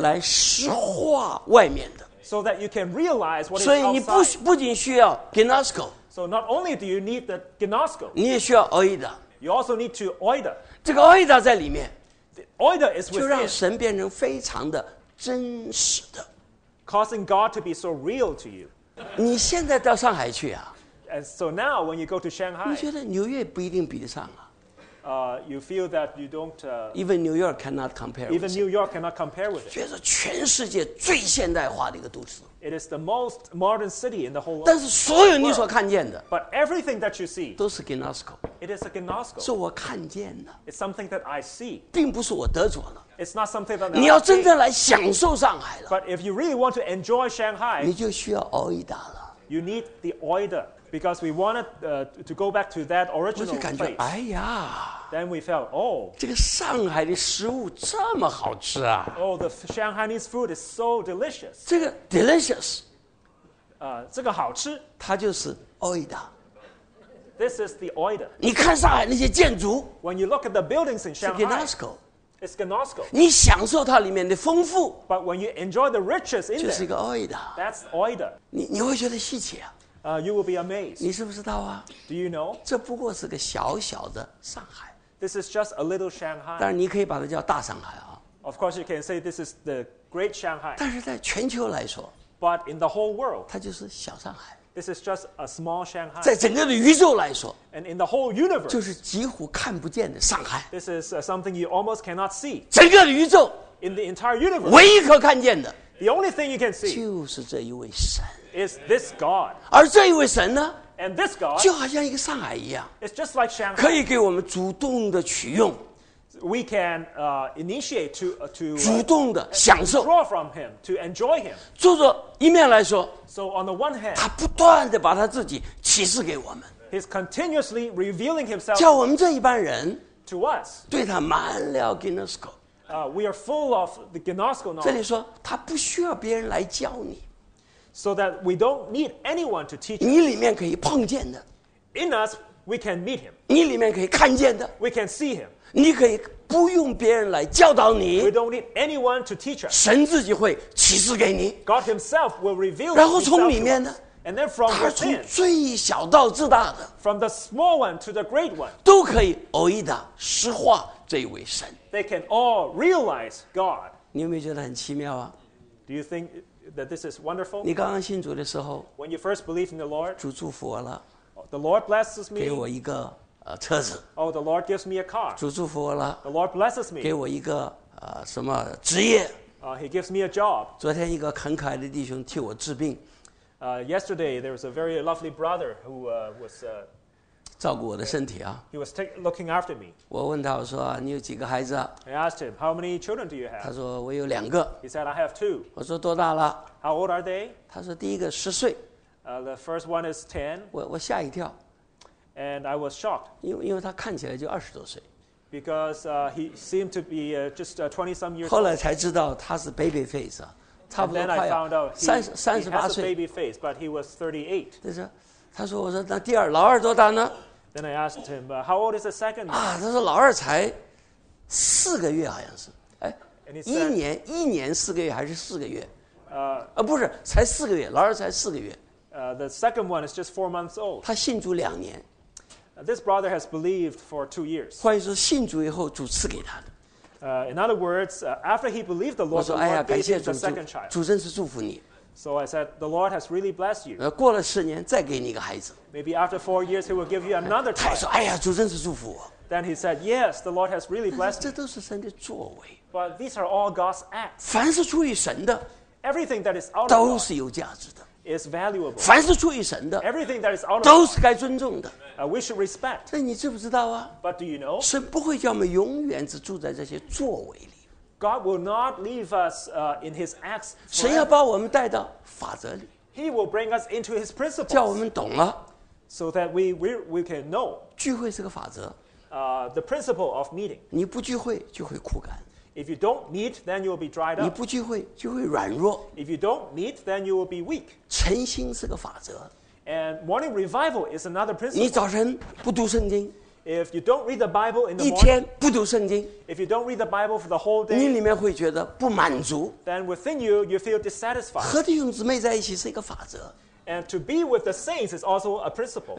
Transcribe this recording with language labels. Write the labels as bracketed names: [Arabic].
[Chinese] 来实化外面的。 [English] So that you can realize what is outside. [Chinese] 所以你不仅需要 ginosko. [English] So not only do you need the ginosko, [Chinese] 你也需要 oida. [English] You also need to order. [Chinese] 这个 order 在里面。 [English] The order is within. [Chinese] 就让神变成非常的真实的。 [English] Causing God to be so real to you. [Chinese] 你现在到上海去啊。 [English] And so now when you go to Shanghai. [Chinese] 你觉得纽约不一定比得上啊。 [English] You feel that you don't. Even New York cannot compare. Even New York cannot compare with it. [Chinese] 觉得全世界最现代化的一个都市。 [English] It is the most modern city in the whole world. [Chinese] 但是所有你所看见的。 [English] But everything that you see. [Chinese] 都是 Gnosko. [English] It is a Gnosko. [Chinese] 是我看见的。 [English] It's something that I see. [Chinese] 并不是我得着了。 [English] It's not something that. [Chinese] 你要真正来享受上海了。 [English] But if you really want to enjoy Shanghai. [Chinese] 你就需要 Oida 了。 [English] You need the Oida. Because we wanted to go back to that original place. [Chinese] 我就感觉哎呀。 [English] Then we felt, oh, [Chinese] 这个上海的食物这么好吃啊 [English] ！Oh, the Shanghainese food is so delicious. [Chinese] 这个 delicious，这个好吃。它就是 oida。 [English] This is the oida. [Chinese] 你看上海那些建筑 [English] ，When you look at the buildings in Shanghai, it's Gnosko. It's Gnosko. [Chinese] 你享受它里面的丰富 [English] ，But when you enjoy the riches in it, [Chinese] 就是一个 oida. [English] That's oida. [Chinese] 你会觉得稀奇啊。 [English] You will be amazed. [Chinese] 你是不是知道啊 [English] ？Do you know? [Chinese] 这不过是个小小的上海。 [English] This is just a little Shanghai. [Chinese] 但是你可以把它叫大上海啊。 [English] Of course, you can say this is the great Shanghai. [Chinese] 但是在全球来说 [English] ，But in the whole world, [Chinese] 它就是小上海。 [English] This is just a small Shanghai. [Chinese] 在整个的宇宙来说 [English] ，And in the whole universe, [Chinese] 就是几乎看不见的上海。 [English] This is something you almost cannot see. [Chinese] 整个的宇宙 [English] ，In the entire universe, [Chinese] 唯一可看见的 [English] ，The only thing you can see, [Chinese] 就是这一位神。 [English] Is this God? [Chinese] 而这一位神呢？ [English] And this God, [Chinese] 就好像一个上海一样 [English] It's just like Shanghai. [Chinese] 可以给我们主动的取用 [English] We can initiate to [Chinese] 主动的享受 [English] Draw from him, to enjoy him. [Chinese] 就说一面来说 [English] So on the one hand, [Chinese] 他不断的把他自己启示给我们 [English] He's continuously revealing himself [Chinese] 叫我们这一般人 [English] To us. [Chinese] 对他满了 Gnosko. [English] We are full of the Gnosko knowledge. [Chinese] 这里说他不需要别人来教你 [English] So that we don't need anyone to teach. [Chinese] 你里面可以碰见的。 [English] In us, we can meet him. [Chinese] 你里面可以看见的。 [English] We can see him. [Chinese] 你可以不用别人来教导你。 [English] We don't need anyone to teach us. [Chinese] 神自己会启示给你。 [English] God himself will reveal. [Chinese] 然后从里面呢？ [English] And then from within. [Chinese] 他从最小到至大的。 [English] From the small one to the great one. [Chinese] 都可以oida实化这位神。 [English] They can all realize God. [Chinese] 你有没有觉得很奇妙啊？ [English] Do you think? That this is wonderful. [Chinese] 你刚刚信主的时候 [English] ，When you first believe in the Lord, [Chinese] 主祝福我了。 [English] The Lord blesses me. [Chinese] 给我一个车子。 [English] Oh, the Lord gives me a car. [Chinese] 主祝福我了。 [English] The Lord blesses me. [Chinese] 给我一个什么职业。 [English] He gives me a job. [Chinese] 昨天一个很可爱的弟兄替我治病。 [English] Yesterday there was a very lovely brother who was [Chinese] 照顾我的身体啊。 [English] He was looking after me. [Chinese] 我问他我说你有几个孩子啊 [English] ？I asked him how many children do you have. [Chinese] 他说我有两个。 [English] He said I have two. [Chinese] 我说多大了 [English] ？How old are they? [Chinese] 他说第一个十岁。 [English] The first one is 10. [Chinese] 我吓一跳。 [English] And I was shocked. [Chinese] 因为他看起来就二十多岁。 [English] Because he seemed to be just 20 some years. [Chinese] 后来才知道他是 [English] baby face [Chinese] 啊，差不多快要三十八岁。 [English] He has a baby face, but he was 38. [Chinese] 但是。他说：“我说那第二老二多大呢 [English] ？”Then I asked him, "How old is the second?" [Chinese] 啊，他说老二才四个月，好像是，哎， [English] said, [Chinese] 一年四个月还是四个月？不是，才四个月，老二才四个月。 [English] The second one is just 4 months old. [Chinese] 他信主两年。 [English] This brother has believed for 2 years. [Chinese] 换言之，信主以后，主赐给他的。 [English] In other words, after he believed the Lord, [Chinese] 我说哎呀，感谢主， [English] the [Chinese] 主真是祝福你。 [English] So I said, the Lord has really blessed you. [Chinese] 过了四年，再给你一个孩子。 [English] Maybe after 4 years, He will give you another child. [Chinese] 他说：“哎呀，主真是祝福我。” [English] Then he said, "Yes, the Lord has really blessed." [Chinese] 这都是神的作为。 [English] But these are all God's acts. [Chinese] 凡是出于神的 [English] ，everything that is out of God [Chinese] 都是有价值的 [English] ，is valuable. [Chinese] 凡是出于神的 [English] ，everything that is out of God [Chinese] 都是该尊重的。 [English] We should respect. [Chinese] 那你知不知道啊 [English] ？But do you know? [Chinese] 神不会叫我们永远只住在这些作为里。 [English] God will not leave us in His acts. [Chinese] 神要把我们带到法则里。 [English] He will bring us into His principles. [Chinese] 叫我们懂了。 [English] So that we can know. [Chinese] 聚会是个法则。 [English] The principle of meeting. [Chinese] 你不聚会就会枯干。 [English] If you don't meet, then you will be dried up. [Chinese] 你不聚会就会软弱。 [English] If you don't meet, then you will be weak. [Chinese] 晨兴是个法则。 [English] And morning revival is another principle. [Chinese] 你早晨不读圣经。 [English] If you don't read the Bible in the morning, [Chinese] 一天不读圣经 [English] if you don't read the Bible for the whole day, [Chinese] 你里面会觉得不满足 [English] then within you, you feel dissatisfied. [Chinese] 和弟兄姊妹在一起是一个法则 [English] and to be with the saints is also a principle.